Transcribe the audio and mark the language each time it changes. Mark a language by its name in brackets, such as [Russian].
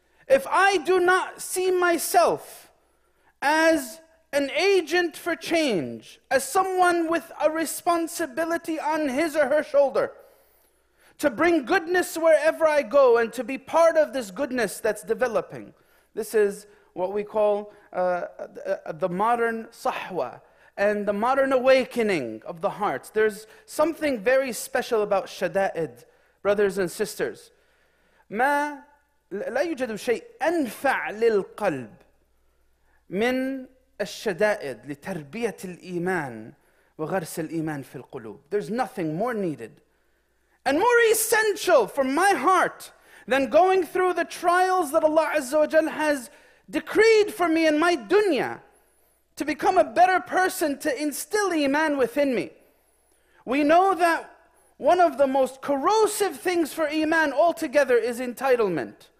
[English] if I do not see myself as an agent for change, as someone with a responsibility on his or her shoulder to bring goodness wherever I go and to be part of this goodness that's developing. This is what we call the modern sahwa and the modern awakening of the heart. There's something very special about shada'id, brothers and sisters. [Arabic] ما لا يوجد شيء أنفع للقلب من الشدائد لتربية الإيمان وغرس الإيمان في القلوب. [English] There's nothing more needed and more essential for my heart than going through the trials that Allah Azza wa Jal has decreed for me in my dunya to become a better person, to instill Iman within me. We know that one of the most corrosive things for Iman altogether is entitlement.